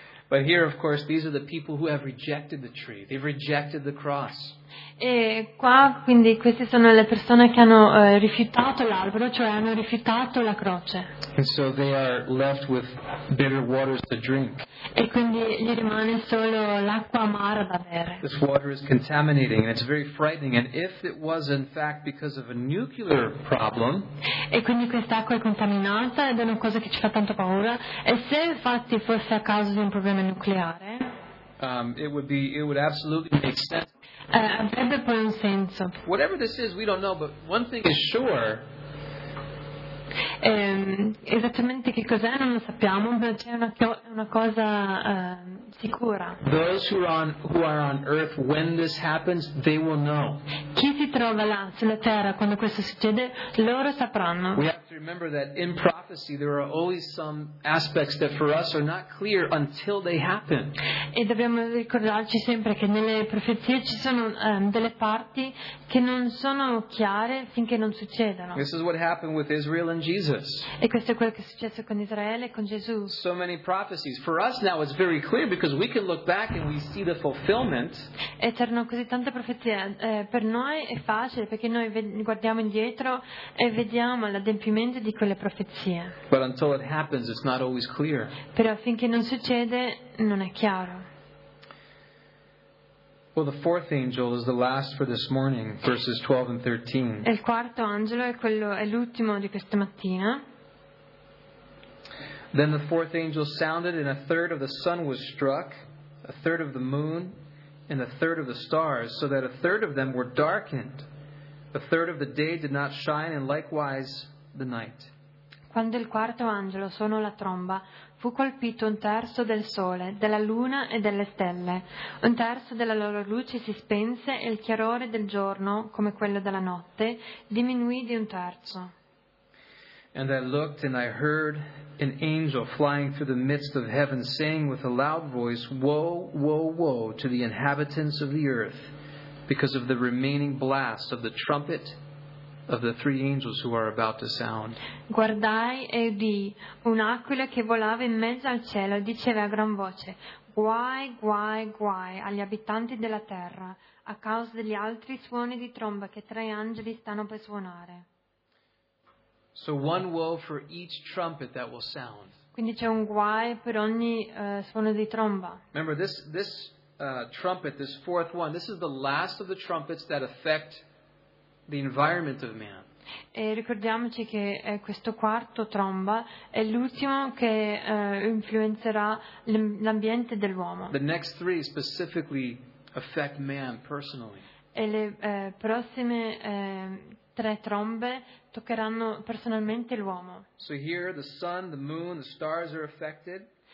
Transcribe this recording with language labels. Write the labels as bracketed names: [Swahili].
[English] But here, of course, these are the people who have rejected the tree. They've rejected the cross. [Italian] E qua, quindi, queste sono le persone che hanno rifiutato l'albero, cioè hanno rifiutato la croce. [English] And so they are left with bitter waters to drink. [Italian] E quindi gli rimane solo l'acqua amara da bere. [English] This water is contaminating, and it's very frightening. And if it was, in fact, because of a nuclear problem. [Italian] E quindi quest'acqua è contaminata ed è una cosa che ci fa tanto paura. E se infatti fosse a causa di un problema nucleare? [English] It would absolutely make sense. [Italian] Avrebbe poi un senso. [English] Whatever this is, we don't know, but one thing is sure. [Italian] Esattamente che cos'è non lo sappiamo, ma c'è una cosa sicura. [English] Those who are on earth when this happens, they will know. [Italian] Chi si trova là sulla terra quando questo succede, loro sapranno. [English] We have to remember that in prophecy there are always some aspects that for us are not clear until they happen. [Italian] E dobbiamo ricordarci sempre che nelle profezie ci sono delle parti che non sono chiare finché non succedano. [English] This is what happened with Israel and Jesus. [Italian] E questo è quello che è successo con Israele e con Gesù. [English] So many prophecies. For us now it's very clear because we can look back and we see the fulfillment. [Italian] E c'erano così tante profezie. Per noi è facile perché noi guardiamo indietro e vediamo l'adempimento di quelle profezie. [English] But until it happens, it's not always clear. [Italian] Però finché non succede, non è chiaro. [English] Well, the fourth angel is the last for this morning, verses 12 and 13. [Italian] Il quarto angelo è quello, è l'ultimo di questa mattina. [English] Then the fourth angel sounded, and a third of the sun was struck, a third of the moon, and a third of the stars, so that a third of them were darkened. A third of the day did not shine, and likewise the night. [Italian] Quando il quarto angelo suonò la tromba, fu colpito un terzo del sole, della luna e delle stelle. Un terzo della loro luce si spense e il chiarore del giorno, come quello della notte, diminuì di un terzo. [English] And I looked and I heard an angel flying through the midst of heaven saying with a loud voice, woe, woe, woe to the inhabitants of the earth because of the remaining blast of the trumpet of the three angels who are about to sound. [Italian] Guardai e udì un'aquila che volava in mezzo al cielo e diceva a gran voce: guai, guai, guai agli abitanti della terra a causa degli altri suoni di tromba che tre angeli stanno per suonare. [English] So one woe for each trumpet that will sound. [Italian] Quindi c'è un guai per ogni suono di tromba. [English] Remember this trumpet, this fourth one, this is the last of the trumpets that affect the environment of man. [Italian] E ricordiamoci che questo quarto tromba è l'ultimo che influenzerà l'ambiente dell'uomo. [English] The next three specifically affect man personally. [Italian] E le prossime tre trombe toccheranno personalmente l'uomo. [English] So here the sun, the moon, the stars are affected.